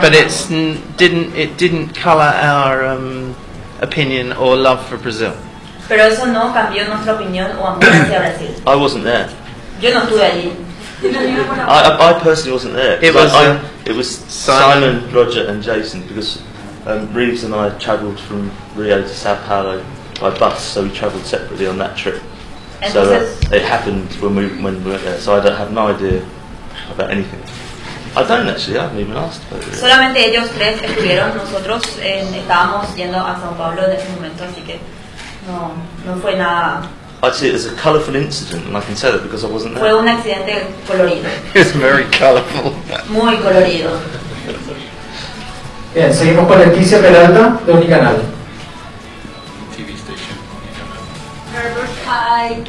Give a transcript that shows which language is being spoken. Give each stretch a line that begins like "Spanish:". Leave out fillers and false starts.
English: But it didn't color our opinion or love for Brazil.
Spanish: Pero eso no cambió nuestra opinión o amor hacia Brasil.
English: I wasn't there.
Spanish: Yo no estuve allí.
English: I personally wasn't there. It was Simon, Roger and Jason, because Reeves and I traveled from Rio to Sao Paulo by bus, so we traveled separately on that trip.
Spanish: Entonces,
English: so it happened when we were there, so I have no idea about anything. I don't actually, I haven't even asked about it.
Spanish: Solamente ellos tres estuvieron, nosotros estábamos yendo a Sao Paulo en ese momento, así que no fue nada.
English: I'd say it was a colourful incident, and I can say that because I wasn't there.
Spanish: Fue un accidente colorido.
English: It's very colourful.
Spanish: Muy colorido. Bien, seguimos con Leticia Peralta, de Unicanal.
English: TV station. Hi.